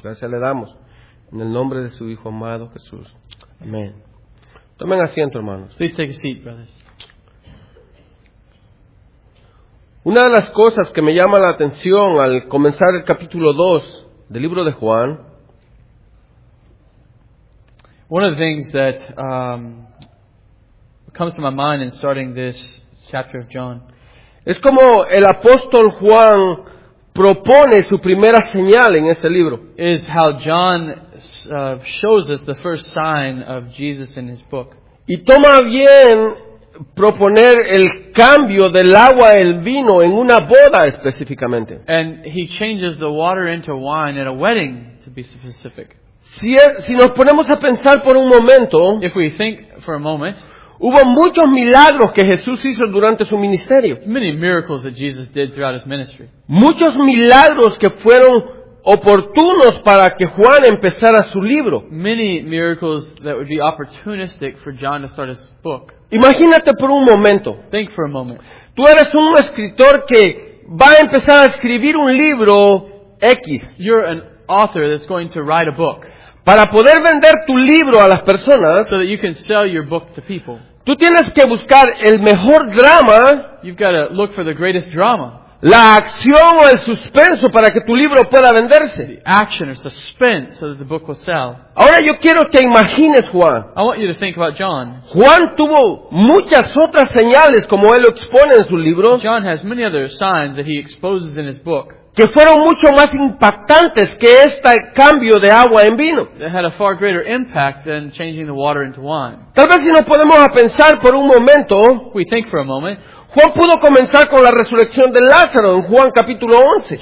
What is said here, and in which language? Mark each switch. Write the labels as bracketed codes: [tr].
[es] Gracias le damos en el nombre de su Hijo amado, Jesús. Amén. Tomen asiento, hermanos. [en] Please take a seat, brothers. [es] Una de las cosas que me llama la atención al comenzar el capítulo 2 del libro de Juan. [en] One of the things that comes to my mind in starting this chapter of John [es] es como el apóstol Juan propone su primera señal en este libro. [en] Is how John shows us the first sign of Jesus in his book. [es] Y toma bien proponer el cambio del agua en vino en una boda específicamente. [en] And he changes the water into wine at a wedding, to be specific. [es] Si nos ponemos a pensar por un momento, [en] if we think for a moment, [es] hubo muchos milagros que Jesús hizo durante su ministerio. [en] Many miracles that Jesus did throughout his ministry. [es] Muchos milagros que fueron oportunos para que Juan empezara su libro. [en] Many miracles that would be opportunistic for John to start his book. [es] Imagínate por un momento. [en] Think for a moment. [es] Tú eres un escritor que va a empezar a escribir un libro X. [en] You're an author that's going to write a book. [es] Para poder vender tu libro a las personas, [en] so that you can sell your book to people, [es] tú tienes que buscar el mejor drama, [en] you've got to look for the greatest drama, [es] la acción o el suspenso para que tu libro pueda venderse, [en] the action or suspense so that the book will sell. [es] Ahora yo quiero que imagines Juan. [en] I want you to think about John. [es] Juan tuvo muchas otras señales como él lo expone en su libro. [en] John has many other signs that he exposes in his book. [es] Que fueron mucho más impactantes que este cambio de agua en vino. [en] It had a far greater impact than changing the water into wine. [es] Tal vez si nos podemos a pensar por un momento, [en] we think for a moment, [es] Juan pudo comenzar con la resurrección de Lázaro en Juan capítulo 11.